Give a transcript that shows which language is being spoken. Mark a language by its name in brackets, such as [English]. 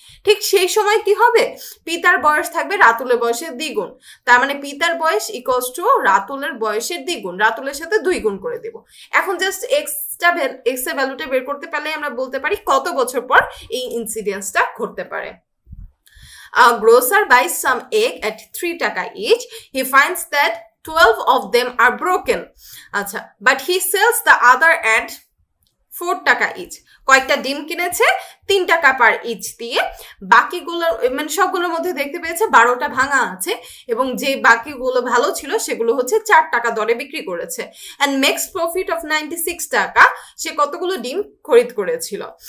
[Bangla] ঠিক সেই সময় কি হবে? পিতার বয়স থাকবে রাতুলের বয়সের দ্বিগুণ, তার মানে পিতার বয়স ইকুয়ালস টু রাতুলের বয়সের দ্বিগুণ, রাতুলের সাথে দুই গুণ করে দেব। এখন জাস্ট এক্সটা এক্স এর ভ্যালুটা বের করতে পারলে আমরা বলতে পারি কত বছর পর এই ইনসিডেন্সটা ঘটতে পারে। [English] A grocer buys some egg at 3 taka each. He finds that 12 of them are broken. Acha, but he sells the other at 4 taka each. [Bangla] কয়েকটা ডিম কিনেছে 3 টাকা পার ইচ দিয়ে, বাকিগুলো মানে সবগুলোর মধ্যে দেখতে পেয়েছে 12টা ভাঙা আছে এবং যে বাকিগুলো ভালো ছিল সেগুলো হচ্ছে 4 টাকা দরে বিক্রি করেছে। [English] and makes profit of 96 টাকা, [Bangla] সে কতগুলো ডিম খরিদ করেছিল।